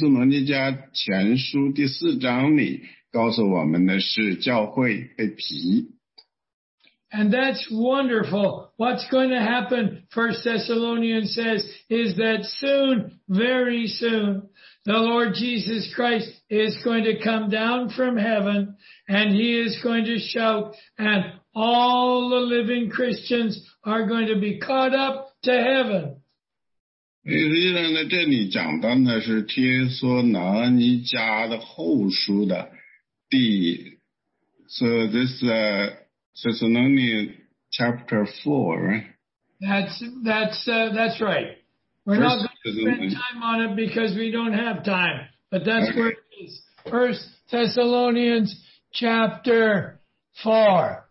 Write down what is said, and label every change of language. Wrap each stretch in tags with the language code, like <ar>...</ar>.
<zh>这里呢，实际上呢，在这个地方，这个地方呢，在帖撒罗尼迦前书第四章里。</zh> <en>And that's wonderful. What's going to happen, 1 Thessalonians says, is that soon, very soon, the Lord Jesus Christ is going to come down from heaven and he is going to shout and all the living Christians are going to be caught up to heaven.</en> <zh>实际上呢，这里讲到的是帖撒罗尼迦后书的。</zh> <en>So this Thessalonians chapter 4, right? That's right. We're not going to spend time on it because we don't have time. But that's okay. Where it is. 1 Thessalonians chapter 4.</en>